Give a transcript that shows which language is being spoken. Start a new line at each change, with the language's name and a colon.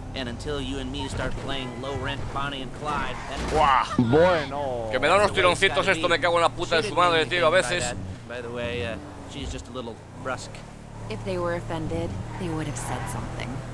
English: And until you and me start playing low rent Bonnie and Clyde, then... Buah.
Spanish: Bueno. Que me da unos tironcitos esto, me cago en la puta de su madre, tío, a veces.
English: By the way, she's just a little brusque. If they were offended, they would have said something.